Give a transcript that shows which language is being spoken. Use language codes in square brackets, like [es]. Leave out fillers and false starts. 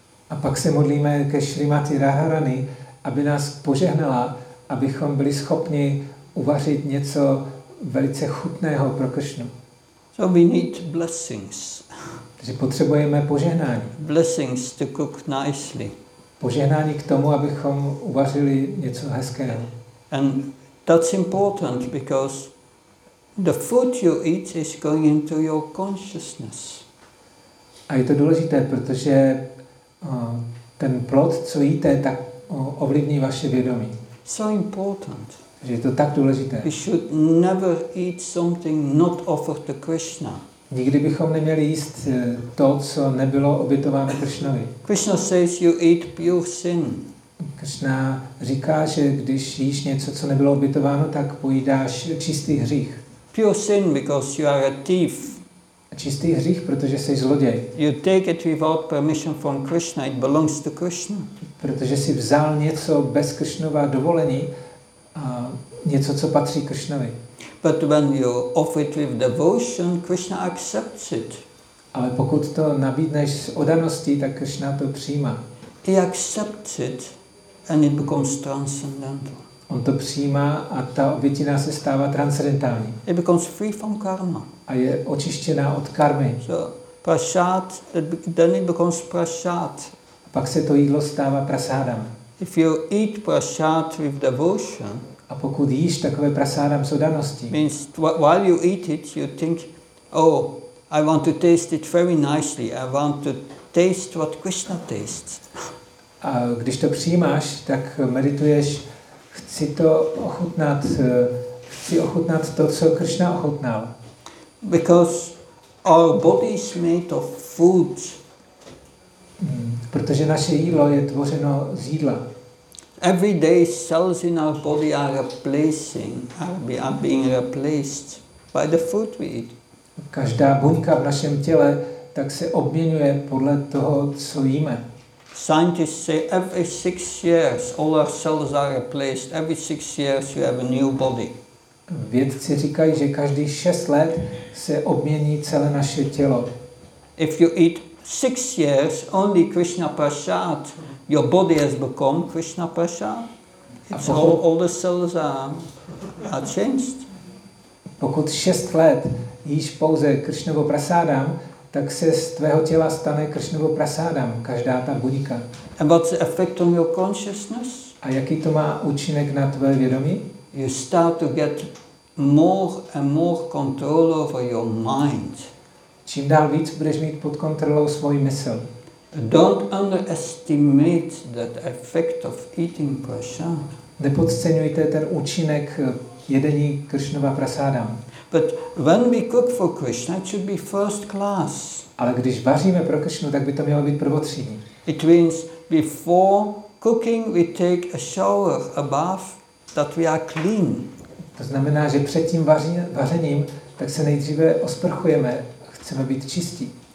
[cs] A pak se modlíme ke Srimati Radharani, aby nás požehnala, abychom byli schopni uvařit něco velice chutného pro Krishnu. [en] So we need blessings. [cs] Takže potřebujeme požehnání. [en] Blessings to cook nicely. [cs] Požehnání k tomu, abychom uvařili něco hezkého. [en] And that's important because the food you eat is going into your consciousness. [cs] A je to důležité, protože ten plod, co jíte, tak ovlivní vaše vědomí. [en] So important. [cs] Že je to tak důležité. [en] We should never eat something not offered to Krishna. [cs] Nikdy bychom neměli jíst to, co nebylo obětováno Krishnovi. [en] Krishna says you eat pure sin. [cs] Krishna říká, že když jíš něco, co nebylo obětováno, tak pojídáš čistý hřích. [en] Pure sin because you are a thief. [cs] Čistý hřích, protože jsi zloděj. [en] You take it without permission from Krishna, it belongs to Krishna. [cs] Protože jsi vzal něco bez Krishnova dovolení, a něco, co patří Krishnovi. [en] But when you offer it with devotion, Krishna accepts it. [cs] Ale pokud to nabídneš s oddaností, tak Krishna to přijímá. [en] He accepts it and it becomes transcendental. [cs] On to přijímá a ta obětina se stává transcendentální. [en] It becomes free from karma. [cs] A je očištěná od karmy. [en] So, prasad, then it becomes prasad. [cs] A pak se to jídlo stává prasádam. [en] If you eat prasad with devotion, [cs] a pokud jíš takové prasádam s oddaností, [en] means while you eat it, you think, oh, I want to taste it very nicely. I want to taste what Krishna tastes. [cs] A když to přijímáš, tak medituješ, chci to ochutnat, chci ochutnat to, co Krishna ochutnal. [en] Because our body is made of food. [cs] Protože naše jídlo je tvořeno z jídla. [en] Every day cells in our body are replacing, are being replaced by the food we eat. [cs] Každá buňka v našem těle tak se obměňuje podle toho, co jíme. [en] Scientists say every 6 years all our cells are replaced. Every 6 years you have a new body. [cs] Vědci říkají, že každý 6 let se obmění celé naše tělo. [en] If you eat 6 years only Krishna prasad, your body has become Krishna prasad. All the cells are changed. [cs] Pokud 6 let jíš pouze Krishnovo prasádam, tak se z tvého těla stane Krishnovo prasádam, každá ta buňka. [en] And what's the effect on your consciousness? [cs] A jaký to má účinek na tvé vědomí? [en] You start to get more and more control over your mind. [cs] Čím dál víc budeš mít pod kontrolou svůj mysl. [en] Don't underestimate that effect of eating prasad. [cs] Nepodceňujte ten účinek jedení Krishnova prasádam. [en] But when we cook for Krishna, it should be first class. [cs] Ale když vaříme pro Krishnu, tak by to mělo být prvotřídní. [en] It means before cooking we take a shower, a bath, that we are clean. [cs] To znamená, že před tím vařením tak se nejdříve osprchujeme, chceme být čistí.